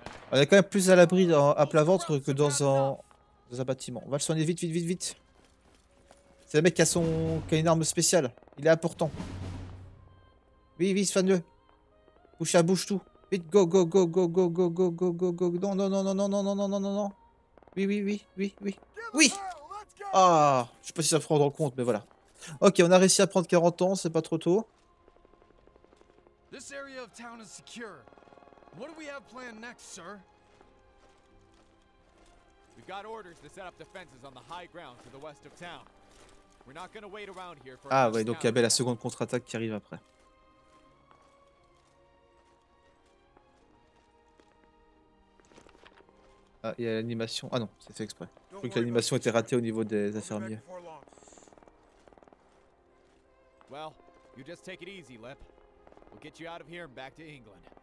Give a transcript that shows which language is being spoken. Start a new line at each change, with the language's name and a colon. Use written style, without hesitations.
French: On est quand même plus à l'abri à plat ventre que dans un bâtiment. On va le soigner vite, vite, vite, vite. C'est le mec qui a une arme spéciale. Il est important. Oui, soigne-le. Bouche à bouche, tout. Vite,
English: go, go, go, go,
French: go, go, go, go, go, go, go, non, non, non, non, non, non, non, non, non, non, non. Oui, oui, oui, oui, oui. Oui! Ah, je sais pas si ça fera rendre compte, mais voilà. Ok, on a réussi à prendre 40 ans, c'est pas trop tôt.
English: This area of town is secure. What do we have planned next, sir? We've got orders to set up defenses on the high ground to the west of town. We're not gonna wait around here for.
French: Ah ouais, donc il y a bien la seconde contre-attaque qui arrive après. Ah, il y a l'animation. Ah non, c'est fait exprès. Je croyais que l'animation était ratée au niveau des infirmiers.
English: Well, you just take it easy, Lip. We'll get you out of here and back to England.